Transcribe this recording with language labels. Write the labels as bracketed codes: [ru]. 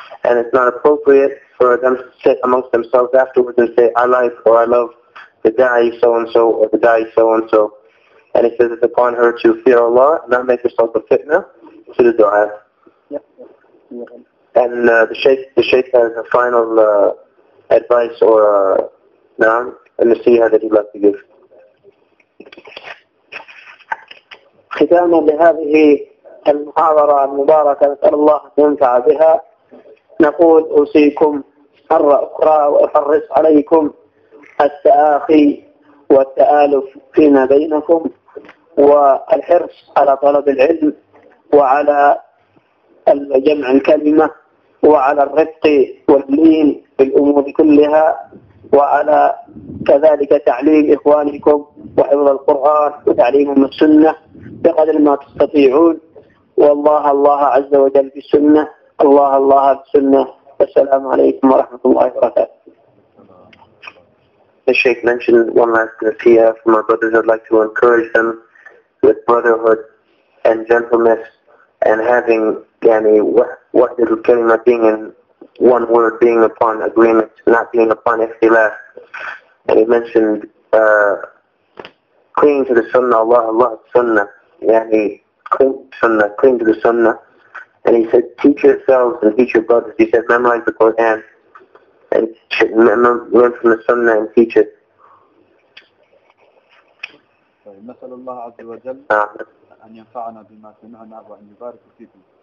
[en] And it's not appropriate for them to sit amongst themselves afterwards and say, I like or I love the da'i so-and-so or the da'i so-and-so. And it says it's upon her to fear Allah and not make herself a fitna to the du'a. Yeah. And the sheikh has a final advice or na'am, and the siha that he'd like to give. [ar] ختاما لهذه المحاضرة المباركة نسأل الله أن ينفع بها نقول أوصيكم مرة أخرى وأحرص عليكم التآخي والتآلف فيما بينكم والحرص على طلب العلم وعلى جمع الكلمة وعلى الرفق واللين بالأمور كلها وعلى كذلك تعليم إخوانكم وحفظ القرآن وتعليمهم السنة بقدر ما تستطيعون والله الله عز وجل بالسنة الله الله بالسنة والسلام عليكم ورحمة الله وبركاته [en] The Sheikh mentioned one last nasiha from our brothers. I'd like to encourage them with brotherhood and gentleness and having yani what little kalima being in one word, being upon agreement, not being upon ikhtilaf. And he mentioned clinging to the sunnah, Allah, Allah, sunnah, yani cling sunnah, cling to the sunnah. And he said, teach yourselves and teach your brothers. He said, memorize the Quran and learn from the sunnah and teach it. [ar] نسأل الله عز وجل أن ينفعنا بما سمعنا وأن يبارك فيكم.